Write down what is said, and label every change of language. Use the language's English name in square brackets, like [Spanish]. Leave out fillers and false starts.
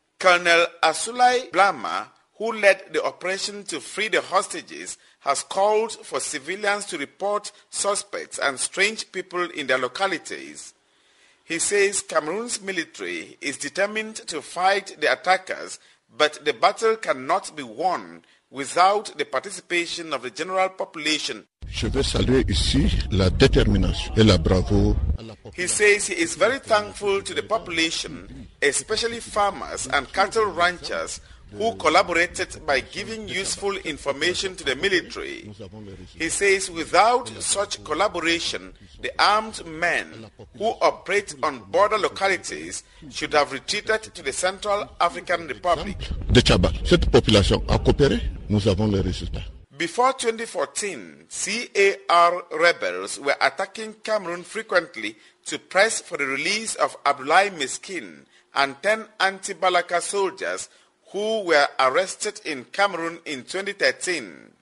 [English] Colonel Asulai Blama, who led the operation to free the hostages, has called for civilians to report suspects and strange people in their localities. He says Cameroon's military is determined to fight the attackers, but the battle cannot be won without the participation of the general population. [French] Je veux saluer ici la détermination et la bravo. [English] He says he is very thankful to the population, especially farmers and cattle ranchers, who collaborated by giving useful information to the military. He says without such collaboration, the armed men who operate on border localities should have retreated to the Central African Republic. [French] De Tchabal, cette population a coopéré, nous avons les résultats. [English] Before 2014, CAR rebels were attacking Cameroon frequently to press for the release of Abdoulaye Meskine and 10 anti-Balaka soldiers who were arrested in Cameroon in 2013.